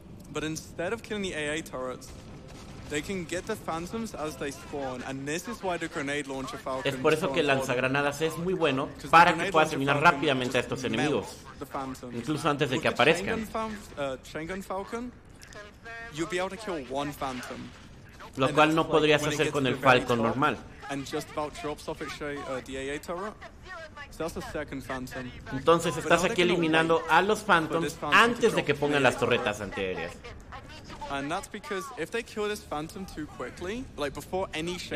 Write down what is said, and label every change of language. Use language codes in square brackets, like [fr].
[en] But instead of killing the AA turrets, they can get the phantoms as they spawn, and this is why the grenade launcher falcon. [es] Es por eso que lanzagranadas es muy bueno para que puedas eliminar rápidamente a estos enemigos, incluso antes de que aparezcan. [en] Chaingun falcon, you'll be able to kill one phantom. [es] Lo cual no podrías hacer con el falcon normal. [en] And just about drops off its AA turret. So that's the second phantom. [es] Entonces estás aquí eliminando a los phantoms antes de que pongan las torretas antiaéreas. [en] And that's because if they kill this phantom too quickly, like before any shape.